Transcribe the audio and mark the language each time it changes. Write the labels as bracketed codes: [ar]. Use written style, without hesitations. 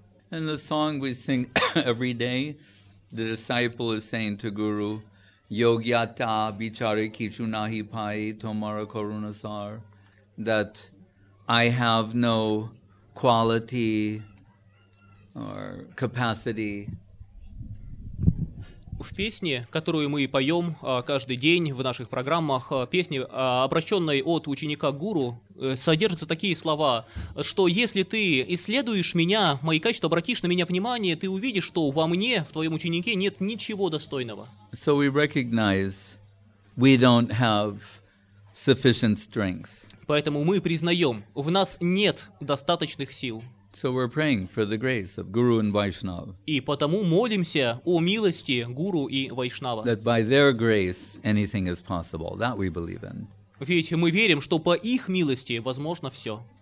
[en] In the song we sing every day, the disciple is saying to Guru, [bn] "Yogyata bichare kichu nahi pai tomara korunasar," [en] that I have no quality or capacity. [ru] В песне, которую мы поем каждый день в наших программах, песне, обращенной от ученика Гуру, содержатся такие слова, что если ты исследуешь меня, мои качества, обратишь на меня внимание, ты увидишь, что во мне, в твоем ученике, нет ничего достойного. [en] So we recognize we don't have sufficient strength. [ru] Поэтому мы признаем, в нас нет достаточных сил. [en] So we're praying for the grace of Guru and Vaishnava. [ru] И потому молимся о милости Гуру и Вайшнава. [en] That by their grace anything is possible. That we believe in. [ru] Ведь мы верим, что по их милости возможно все.